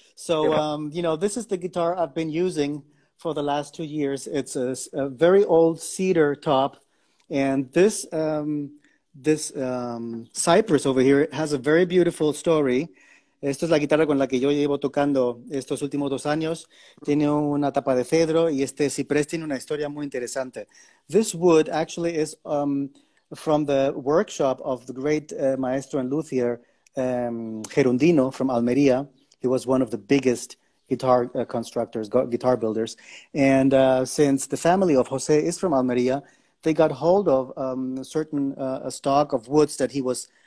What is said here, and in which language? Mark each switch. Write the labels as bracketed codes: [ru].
[en] So, you know, this is the guitar I've been using for the last 2 years. It's a very old cedar top, and this Cypress over here has a very beautiful story. [es] Esta es la guitarra con la que yo llevo tocando estos últimos 2 años. Tiene una tapa de cedro y este ciprés tiene una historia muy interesante. [en] This wood actually is from the workshop of the great maestro and luthier Gerundino from Almería. He was one of the biggest guitar constructors, guitar builders. And since the family of José is from Almería, they got hold of a certain a stock of woods that he was.